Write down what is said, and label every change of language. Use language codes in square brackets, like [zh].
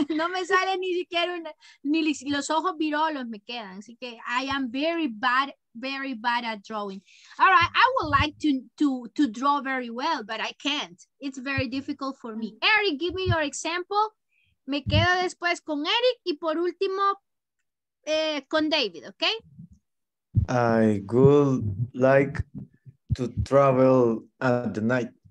[es] No me sale ni siquiera una, ni los ojos virolos me quedan. Así que [en] I am very bad at drawing. All right, I would like to draw very well, but I can't. It's very difficult for me. Eric, give me your example. [es] Me quedo después con Eric y por último, con David, okay? [en] I would like to travel at the night.